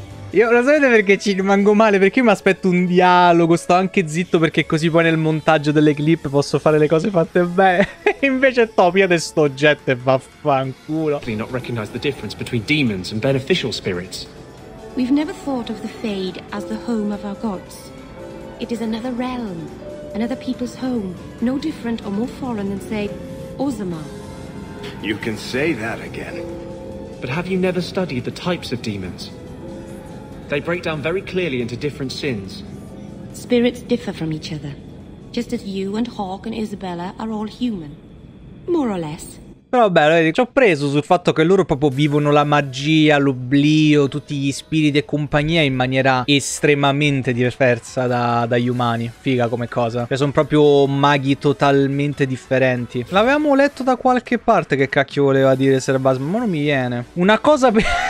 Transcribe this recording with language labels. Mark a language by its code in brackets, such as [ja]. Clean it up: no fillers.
[it] Io lo sapete perché ci rimango male? Perché io mi aspetto un dialogo, sto anche zitto perché così poi nel montaggio delle clip posso fare le cose fatte bene. Invece topi adesso oggetto e vaffanculo. [en] Do not recognize the difference between demons and beneficial spirits. We've never thought of the Fade as the home of our gods. It is another realm, another people's home, no different or more foreign than say Ozama. You can say that again. But have you never studied the types of demons? They break down very clearly into different sins. Spirits differ from each other, just as you and Hawk and Isabella are all human, more or less. [it] Però vabbè, ci ho preso sul fatto che loro proprio vivono la magia, l'oblio, tutti gli spiriti e compagnia in maniera estremamente diversa dagli umani. Figa come cosa. Cioè sono proprio maghi totalmente differenti. L'avevamo letto da qualche parte che cacchio voleva dire Serbas, ma non mi viene. Una cosa per...